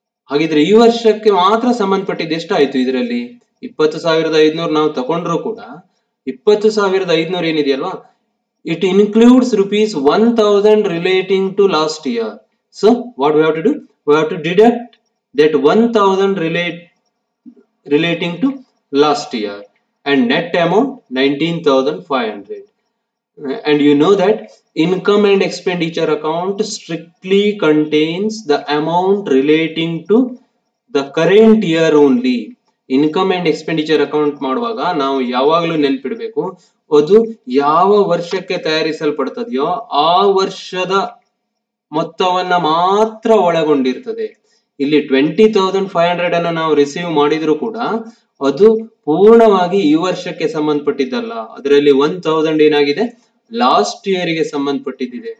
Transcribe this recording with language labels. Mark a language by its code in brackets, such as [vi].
[kn] ಹಾಗಿದ್ರೆ ಈ ವರ್ಷಕ್ಕೆ ಮಾತ್ರ ಸಂಬಂಧಪಟ್ಟಿದ್ದು ಎಷ್ಟಾಯ್ತು, ಇದರಲ್ಲಿ 20,500 ನಾವು ತಗೊಂಡ್ರು ಕೂಡ 20,500 ಏನಿದೆಯಲ್ವಾ, [en] It includes rupees 1,000 relating to last year. So what we have to do, we have to deduct that 1,000 relating to last year and net amount 19,500. And you know that income and expenditure account strictly contains the amount relating to the current year only. [kn] Income and expenditure account ಮಾಡುವಾಗ ನಾವು ಯಾವಾಗಲೂ ನೆನಪಿಡಬೇಕು, ಅದು ಯಾವ ವರ್ಷಕ್ಕೆ ತಯಾರಿಸಲ್ಪಡ್ತದೆಯೋ ಆ ವರ್ಷದ ಮೊತ್ತವನ್ನು ಮಾತ್ರ ಒಳಗೊಂಡಿರ್ತದೆ. ಇಲ್ಲಿ 20,500 ಅನ್ನು ನಾವು ರಿಸೀವ್ ಮಾಡಿದ್ರು ಕೂಡ ಅದು ಪೂರ್ಣವಾಗಿ ಈ ವರ್ಷಕ್ಕೆ ಸಂಬಂಧಪಟ್ಟಿದ್ದಲ್ಲ, ಅದರಲ್ಲಿ 1,000 ಏನಾಗಿದೆ, ಲಾಸ್ಟ್ ಇಯರ್ಗೆ ಸಂಬಂಧಪಟ್ಟಿದ್ದಿದೆ.